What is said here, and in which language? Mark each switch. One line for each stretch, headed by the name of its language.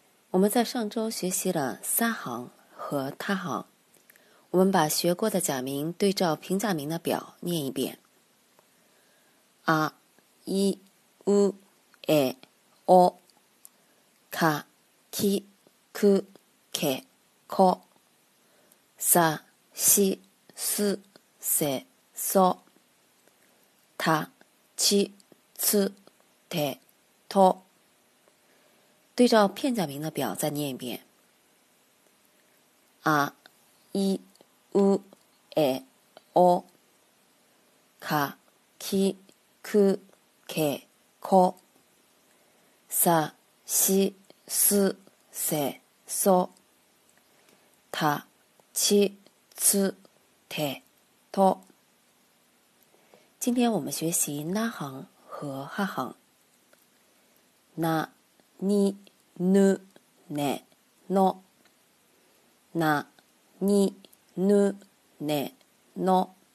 Chinese: 我们在上周学习了三行和他行，我们把学过的假名对照平假名的表念一遍。
Japanese: 啊、い、う、え、お、か、き、く、け、こ、さ、し、す、せ、そ、た、ち、つ、て、と。
Chinese: 对照片假名的表再念一遍。
Japanese: 啊、い、う、え、お、か、き、く、け、こ、さ、し、す、せ、そ、た、ち、つ、て、と。
Chinese: 今天我们学习那行和哈行。
Japanese: 那、に、ぬ、ね、の。な、に、ぬ、ね、の。